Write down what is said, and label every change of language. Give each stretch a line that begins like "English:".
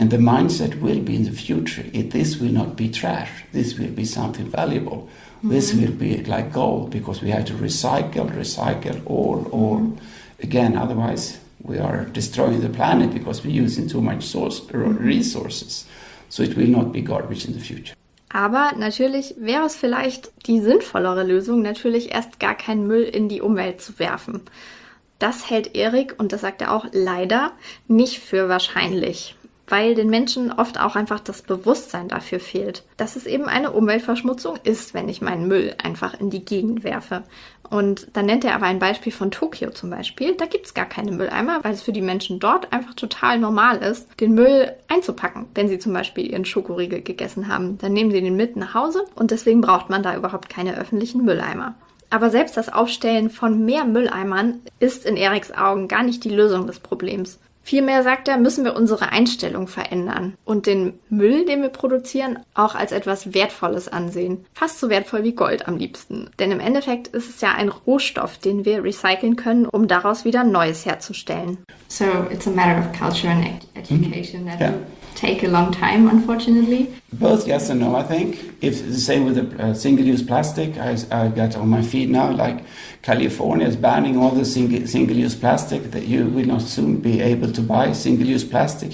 English: And the mindset will be in the future. This will not be trash. This will be something valuable. Mm-hmm. This will be like gold, because we have to recycle all. Mm-hmm. Again, otherwise, we are destroying the planet because we're using too much resources. So it will not be garbage in the future.
German: Aber natürlich wäre es vielleicht die sinnvollere Lösung, natürlich erst gar keinen Müll in die Umwelt zu werfen. Das hält Erik, und das sagt er auch leider, nicht für wahrscheinlich, weil den Menschen oft auch einfach das Bewusstsein dafür fehlt, dass es eben eine Umweltverschmutzung ist, wenn ich meinen Müll einfach in die Gegend werfe. Und dann nennt er aber ein Beispiel von Tokio zum Beispiel. Da gibt es gar keine Mülleimer, weil es für die Menschen dort einfach total normal ist, den Müll einzupacken, wenn sie zum Beispiel ihren Schokoriegel gegessen haben. Dann nehmen sie den mit nach Hause, und deswegen braucht man da überhaupt keine öffentlichen Mülleimer. Aber selbst das Aufstellen von mehr Mülleimern ist in Eriks Augen gar nicht die Lösung des Problems. Vielmehr, sagt er, müssen wir unsere Einstellung verändern und den Müll, den wir produzieren, auch als etwas Wertvolles ansehen. Fast so wertvoll wie Gold am liebsten. Denn im Endeffekt ist es ja ein Rohstoff, den wir recyceln können, um daraus wieder Neues herzustellen.
English: So, it's a matter of culture and education that take a long time, unfortunately. Both yes and no, I think. If the same with the single-use plastic, I got on my feet now, like California is banning all the single-use plastic, that you will not soon be able to buy single-use plastic.